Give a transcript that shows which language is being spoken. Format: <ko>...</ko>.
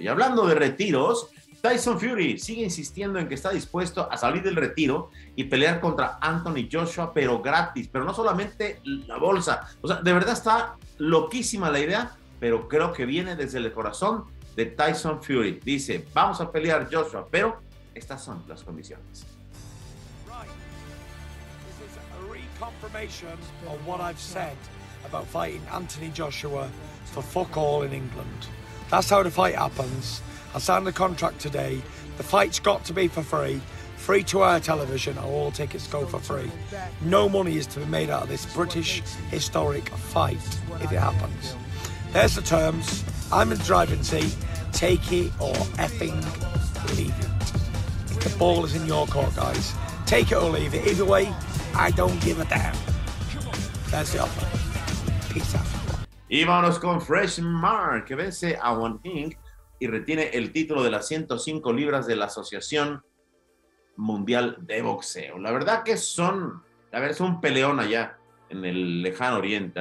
<es>Y hablando de retiros, Tyson Fury sigue insistiendo en que está dispuesto a salir del retiro y pelear contra Anthony Joshua, pero gratis, pero no solamente la bolsa. O sea, de verdad está loquísima la idea, pero creo que viene desde el corazón de Tyson Fury. Dice, vamos a pelear Joshua, pero estas son las condiciones.</es> <en>Right. This is a reconfirmation of what I've said about fighting Anthony Joshua for fuck all in England. That's how the fight happens. I signed the contract today. The fight's got to be for free. Free to air television, all tickets go for free. No money is to be made out of this British historic fight if it happens. There's the terms. I'm in the driving seat. Take it or effing leave it. If the ball is in your court, guys. Take it or leave it. Either way, I don't give a damn. There's the offer. Peace out.</en> <es>Y vámonos con Fresh Mark, que vence a Juan Hing y retiene el título de las 105 libras de la Asociación Mundial de Boxeo. La verdad que son, a ver, es un peleón allá en el lejano oriente.</es>